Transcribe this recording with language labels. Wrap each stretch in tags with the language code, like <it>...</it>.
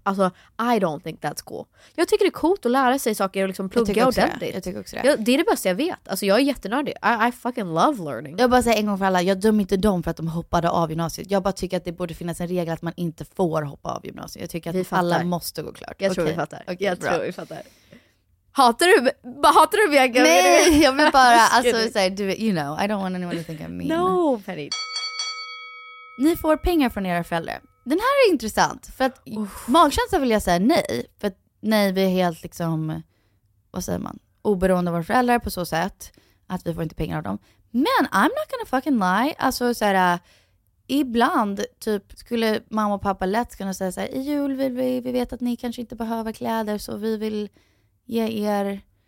<sv>Alltså,</sv> <en>I don't think that's cool.</en> <sv>Jag tycker det är coolt att lära sig saker och liksom plugga ordentligt. Det är det bästa jag vet. Alltså, jag är jättenördig.</sv> <en>I fucking love learning.</en> <sv>Jag bara säger en gång för alla, jag dömer inte dem för att de hoppade av gymnasiet. Jag bara tycker att det borde finnas en regel att man inte får hoppa av gymnasiet. Jag tycker att alla måste gå klart. Jag tror vi fattar. Hatar du mig? Nej, jag vill bara, alltså,</sv> <en>say, do it, you know, I don't want anyone to think I'm mean. No, Penny.</en> <sv>Ni får pengar från era föräldrar. Den här är intressant, för att magkänslan vill jag säga nej. För att nej, vi är helt liksom, vad säger man, oberoende av våra föräldrar på så sätt att vi får inte pengar av dem. Men</sv> <en>I'm not gonna fucking lie.</en> <sv>Alltså såhär, ibland typ skulle mamma och pappa lätt kunna säga såhär, i jul vill vi vet att ni kanske inte behöver kläder, så vi vill ge er...</sv>